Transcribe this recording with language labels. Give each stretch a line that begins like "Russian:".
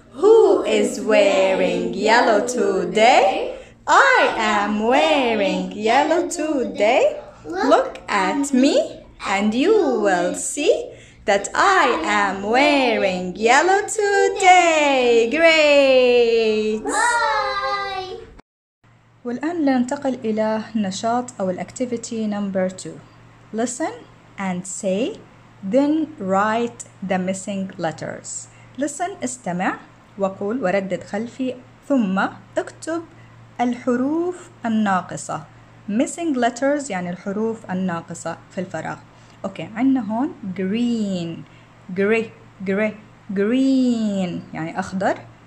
English: Who is wearing yellow today? I am wearing yellow today. Look at me and you will see that I am wearing yellow today. Great. Bye.
Arabic: والآن لننتقل إلى نشاط أو الأكتيفيتي نمبر 2.
English: Listen and say, then write the missing letters. Listen
Arabic: استمع وقول وردد خلفي ثم اكتب الحروف الناقصة.
English: Missing letters
Arabic: يعني الحروف الناقصة في الفراغ. اوكي عندنا هون
English: green gray gray green
Arabic: يعني اخضر.